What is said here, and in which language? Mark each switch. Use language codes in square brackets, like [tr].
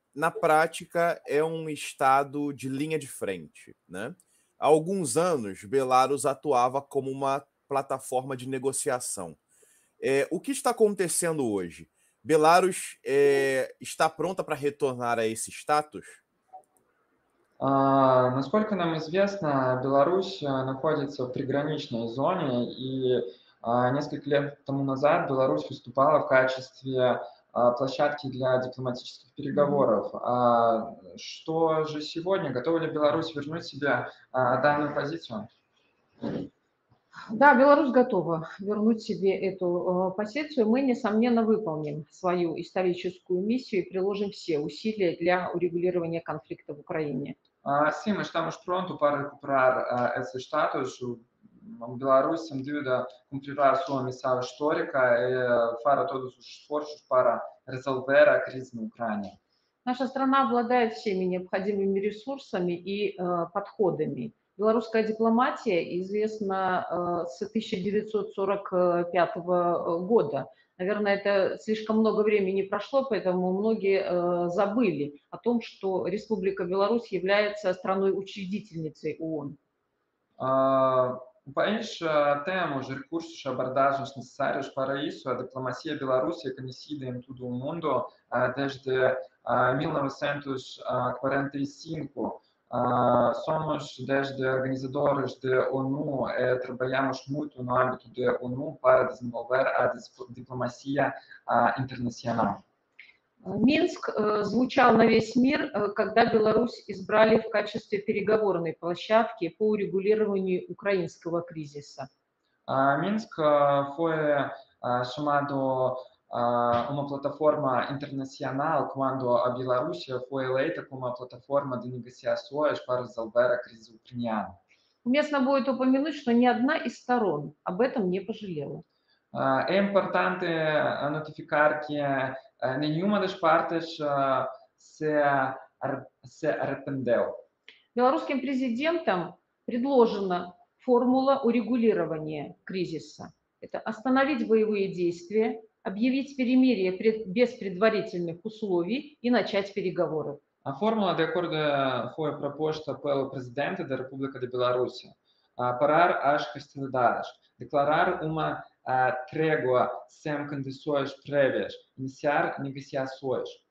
[pt] na prática, é um estado de linha de frente, né? Há alguns anos, Belarus atuava como uma plataforma de negociação. O que está acontecendo hoje? Belarus está pronta para retornar a esse status? [ru] Насколько нам известно, Беларусь находится в приграничной зоне, и несколько лет тому назад Беларусь выступала в качестве площадки для дипломатических переговоров. Что же сегодня? Готова ли Беларусь вернуть себе данную позицию? Да, Беларусь готова вернуть себе эту позицию. Мы, несомненно, выполним свою историческую миссию и приложим все усилия для урегулирования конфликта в Украине. [pt] Sim, estamos prontos para recuperar esse status. A Belarus, sem dúvida, cumprirá a sua missão histórica e fará todos os esforços para resolver a crise na Ucrânia. Nossa [ru] страна обладает всеми необходимыми ресурсами и подходами. Белорусская дипломатия известна с 1945 года. Наверное, это слишком много времени прошло, поэтому многие забыли о том, что Республика Беларусь является страной-учредительницей ООН. Понимаешь, тему же рекурсов, абордажных [pt] necessários para isso, a diplomacia Беларуси conhecida em todo o mundo desde 1945. Somos desde organizadores de ONU e trabalhamos muito no âmbito de ONU para desenvolver a diplomacia internacional. [ru] Minsk звучал на весь мир, когда Беларусь избрали в качестве переговорной площадки по урегулированию украинского кризиса. [pt] Minsk foi chamado uma plataforma internacional quando a Bielorrússia foi eleita como uma plataforma de negociações para resolver a crise ucraniana. [ru] Уместно будет упомянуть, что ни одна из сторон об этом не пожалела. [pt] É importante notificar que nenhuma das partes se arrependeu. [ru] Белорусским президентом предложена формула урегулирования кризиса. Это остановить боевые действия, объявить перемирие без предварительных условий и начать переговоры. [pt] A fórmula de acordo foi proposta pelo presidente da República de Belarusia. Parar as hostilidades, declarar uma trégua sem condições prévias, iniciar negociações.